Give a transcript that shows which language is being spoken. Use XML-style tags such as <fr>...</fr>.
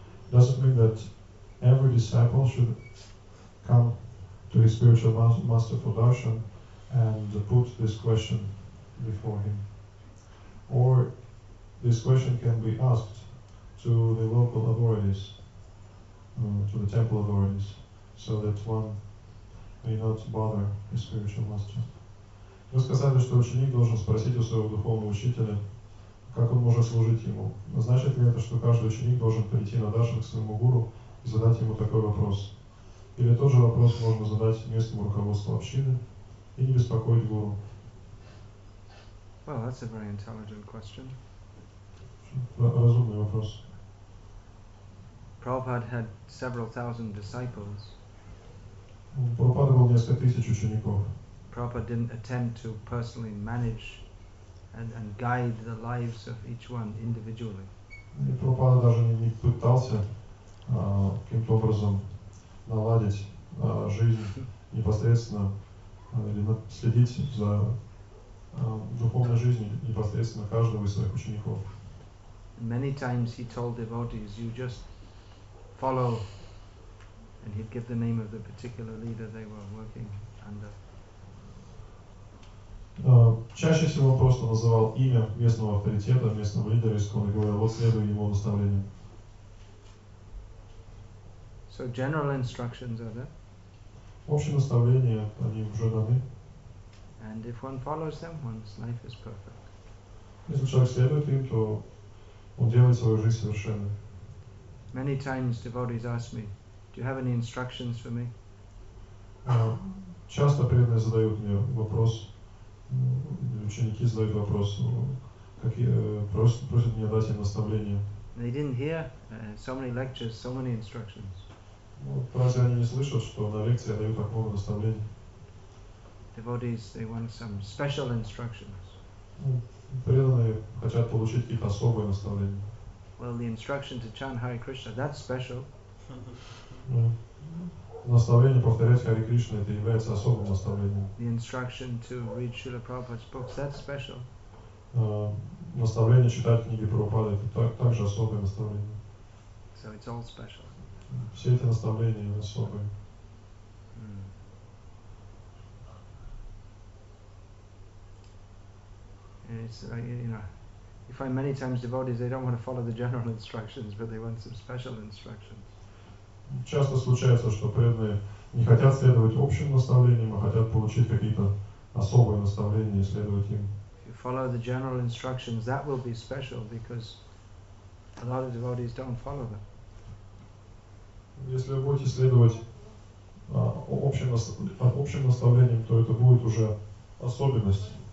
<en>Does it mean that every disciple should come to his spiritual master for darshan and put this question before him? Or this question can be asked to the local authorities, to the temple authorities, so that one may not bother his spiritual master.</en> <ru>Вы сказали, что ученик должен спросить у своего духовного учителя, как он может служить ему. Значит ли это, что каждый ученик должен прийти на даршан к своему гуру и задать ему такой вопрос? Или тот же вопрос можно задать местному руководству общины и не беспокоить гуру?</ru> <en>Well, that's a very intelligent question.</en> <ru>Разумный вопрос.</ru> <en>Prabhupada had several thousand disciples.</en> <ru>Прабхупада был несколько тысяч учеников.</ru> <en>Prabhupada didn't attempt to personally manage and guide the lives of each one individually.</en> <ru>И Прабхупада даже не пытался каким-то образом наладить жизнь непосредственно или следить за духовной жизнью непосредственно каждого из своих учеников.</ru> <en>Many times he told devotees, you just follow, and he'd give the name of the particular leader they were working under.</en> <ru>Чаще всего он просто называл имя местного авторитета, местного лидера, и говорил, вот следуй ему наставлениям.</ru> <en>So general instructions are there.</en> <ru>Общие наставления, они уже даны.</ru> <en>And if one follows them, one's life is perfect.</en> <ru>Если человек следует им, то он делает свою жизнь совершенной.</ru> <en>Many times devotees ask me, do you have any instructions for me?</en> <ru>Часто преданные задают мне вопрос, ученики задают вопрос, просят меня дать им наставление.</ru> <en>They didn't hear so many lectures, so many instructions.</en> <ru>Разве они не слышат, что на лекции я даю так много наставлений?</ru> <en>Devotees, they want some special instructions.</en> <ru>Преданные хотят получить какие-то особые наставления.</ru> <en>Well, the instruction to chant Hare Krishna, that's special.</en> <ru>Наставление повторять Хари Кришна это является особым наставлением.</ru> <en>The instruction to read Srila Prabhupada's books, that's special.</en> <ru>Наставление читать книги Прабхупады это также особое наставление.</ru> <en>So it's all special.</en> <ru>Все эти наставления особые.</ru> <en>And it's you find many times devotees they don't want to follow the general instructions, but they want some special instructions.</en> <ru>Часто случается, что преданные не хотят следовать общим наставлениям, а хотят получить какие-то особые наставления и следовать им.</ru> <en>If you follow the general instructions, that will be special, because a lot of devotees don't follow them.</en> <ru>Если вы будете следовать общим наставлениям, то это будет уже особенность.</ru>